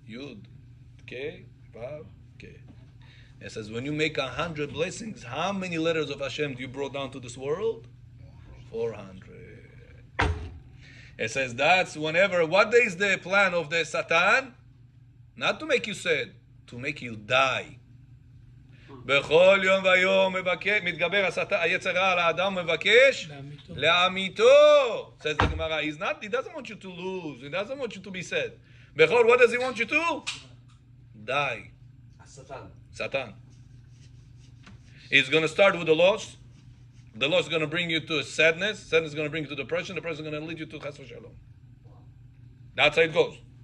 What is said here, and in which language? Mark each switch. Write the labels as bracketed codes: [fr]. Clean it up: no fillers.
[en] Yud, Kei, Vav, Kei. It says, when you make 100 blessings, how many letters of Hashem do you brought down to this world? 400. It says, that's whenever, what is the plan of the Satan? Not to make you sad, to make you die. [he] בכל יום ויום מבקש, מתגבר היצר רע על האדם מבקש לעמיתו. [en] Says the Gemara, he's not, he doesn't want you to lose, he doesn't want you to be sad. בכל, what does he want you to? Die. Satan. He's going to start with the loss. The loss is going to bring you to sadness. Sadness is going to bring you to depression. Depression is going to lead you to chas v'shalom. That's how it goes.